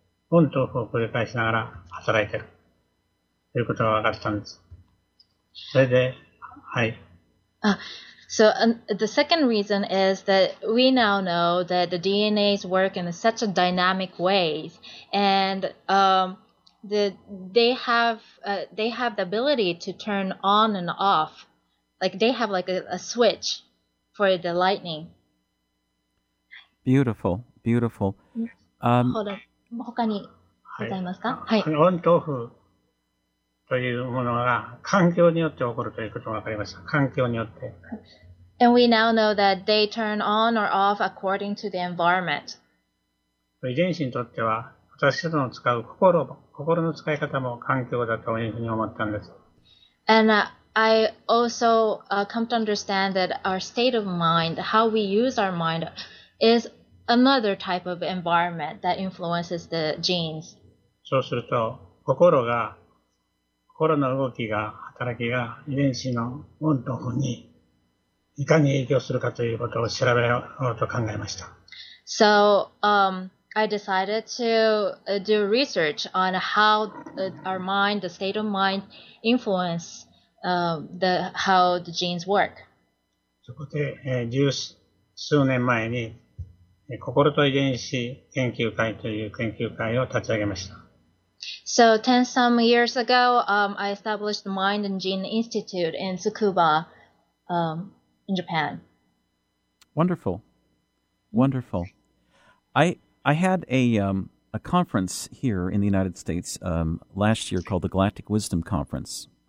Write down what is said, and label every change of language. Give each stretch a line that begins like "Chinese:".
Japanese: オンとオフを繰り返しながら働いているということが分かったんです。それで、はい。
English: So, the second reason is that we now know that the DNAs work in such a dynamic ways, and they have the ability to turn on and off. Like, they have like a switch for the lightning. Beautiful, beautiful. Hold on.
Japanese: 他にございますか、はい、オンとオフというものが環境によって起こるということが分かりました。環境によって。
English: And we now know that they turn on or off according to the environment.
Japanese: 遺伝子にとっては、私たちの使う心の使い方も環境だというふうに思ったんです。
English: And I also come to understand that our state of mind, how we use our mind, isAnother type of environment that influences the genes.
Japanese: そうすると、心の動きが、働きが、遺伝子のオンとオフにいかに影響するかということを調べようと考えました。
English: So, I decided to do research on how our mind, the state of mind, influence how the genes work.
Japanese: そこで、数年前に心と遺伝子研究会という研究会を立ち上げました。
English: So, 10 some years ago, I established the Mind and Gene Institute in Tsukuba, in Japan. Wonderful. Wonderful. I had a conference here in the United States last year called the Galactic Wisdom Conference.